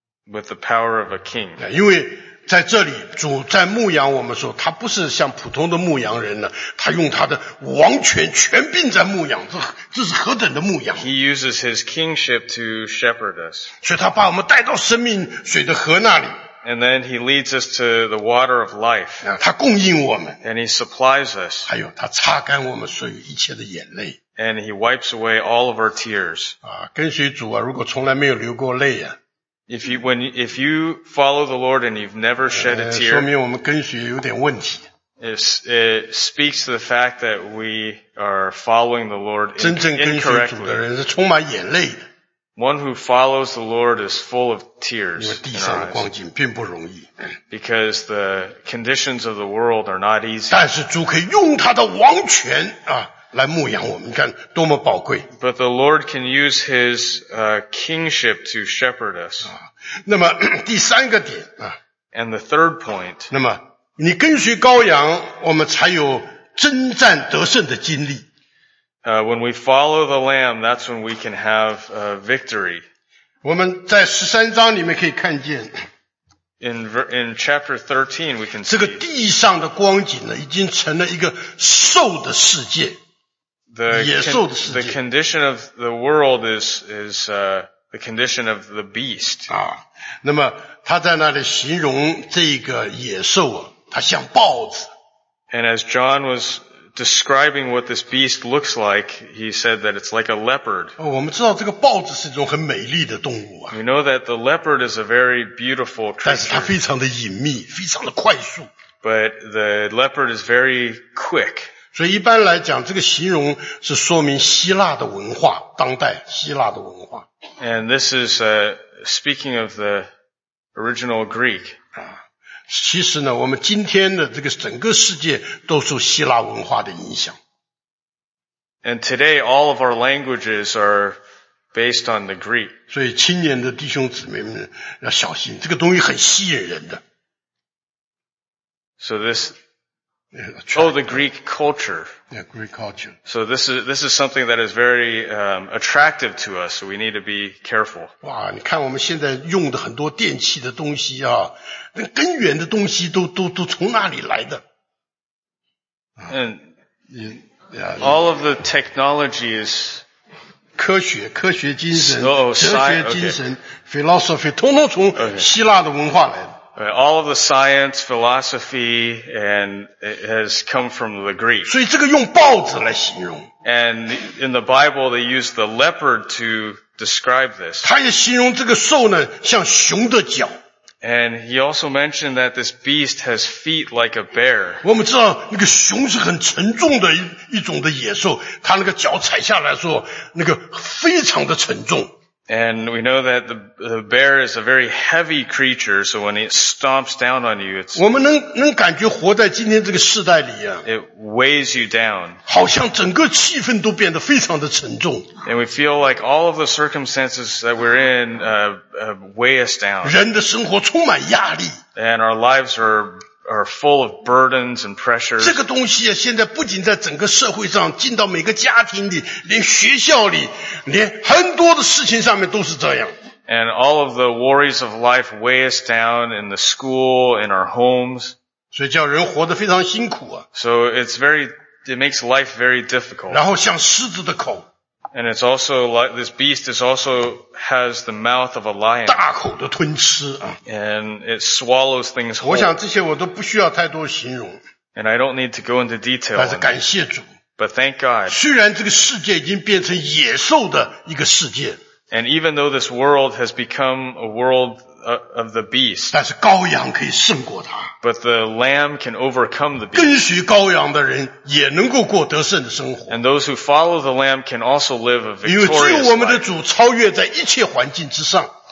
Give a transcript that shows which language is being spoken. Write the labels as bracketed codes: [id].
[en] With the power of a king. [zh] 因为在这里主在牧养我们的时候他不是像普通的牧羊人呢他用他的王权权柄在牧养这是何等的牧养 [en] He uses his kingship to shepherd us. [zh] 所以他把我们带到生命水的河那里 [en] And then he leads us to the water of life. [zh] 他供应我们 [en] And he supplies us. [zh] 还有他擦干我们所有一切的眼泪 [en] And he wipes away all of our tears. [zh] 啊，跟随主啊，如果从来没有流过泪啊。 [en] If you follow the Lord and you've never shed a tear, [zh] 说明我们跟随有点问题。 [en] It speaks to the fact that we are following the Lord incorrectly. [zh] 真正跟随主的人是充满眼泪的。 [en] One who follows the Lord is full of tears. [zh] 因为地上的光景并不容易。 [en] Because the conditions of the world are not easy. [zh] 但是主可以用他的王权啊。来牧养我们，你看多么宝贵。 [en] But the Lord can use His kingship to shepherd us. [zh] 啊，那么第三个点啊。 [en] And the third point. [zh] 那么你跟随羔羊，我们才有征战得胜的经历。 [en] When we follow the Lamb, that's when we can have victory. [zh] 我们在十三章里面可以看见。 [en] In chapter 13, we can see. [zh] 这个地上的光景呢，已经成了一个兽的世界。 [en] The condition of the world is the condition of the beast. [zh] 啊，那么他在那里形容这个野兽啊，它像豹子。 [en] And as John was describing what this beast looks like, he said that it's like a leopard. [zh] 哦，我们知道这个豹子是一种很美丽的动物啊。 [en] We know that the leopard is a very beautiful creature. [zh] 但是它非常的隐秘，非常的快速。 [en] But the leopard is very quick. [zh] 所以一般来讲，这个形容是说明希腊的文化，当代希腊的文化。 [en] And this is speaking of the original Greek. [zh] 其实呢，我们今天的这个整个世界都受希腊文化的影响。 [en] And today all of our languages are based on the Greek. [zh] 所以青年的弟兄姊妹们要小心，这个东西很吸引人的。 [en] So this. Oh, the Greek culture. Yeah, Greek culture. So this is something that is very attractive to us, so we need to be careful. [zh] 哇，你看我们现在用的很多电器的东西啊，那根源的东西都从哪里来的？ [en] And all of the technology is [zh] 科学精神、哲学精神、 philosophy 通通从希腊的文化来的。 [en] All of the science, philosophy, and it has come from the Greek. [zh] 所以这个用豹子来形容。 [en] And in the Bible, they use the leopard to describe this. [zh] 他也形容这个兽呢，像熊的脚。 [en] And he also mentioned that this beast has feet like a bear. [zh] 我们知道那个熊是很沉重的一种的野兽，它那个脚踩下来的时候，那个非常的沉重。 [en] And we know that the bear is a very heavy creature, so when it stomps down on you, it's... [zh] 我们能感觉活在今天这个世代里啊。 [en] It weighs you down. [zh] 好像整个气氛都变得非常的沉重。 [en] And we feel like all of the circumstances that we're in, weigh us down. [zh] 人的生活充满压力。 [en] And our lives are full of burdens and pressures. [zh] 这个东西啊，现在不仅在整个社会上，进到每个家庭里，连学校里，连很多的事情上面都是这样。 [en] And all of the worries of life weigh us down in the school, in our homes. [zh] 所以叫人活得非常辛苦啊。 [en] So it makes life very difficult. [zh] 然后像狮子的口。 [en] And it's also like this beast is also has the mouth of a lion. [zh] 大口的吞吃啊。 [en] And it swallows things whole. [zh] 我想这些我都不需要太多形容。 [en] And I don't need to go into detail. [zh] 但是感谢主。 [en] But thank God. [zh] 虽然这个世界已经变成野兽的一个世界。 [en] And even though this world has become a world of the beast. [zh] 但是羔羊可以胜过它。 [en] But the lamb can overcome the beast. [zh] 跟随羔羊的人也能够过得胜的生活。 [en] And those who follow the lamb can also live a victorious life. [zh] 因为只有我们的主超越在一切环境之上。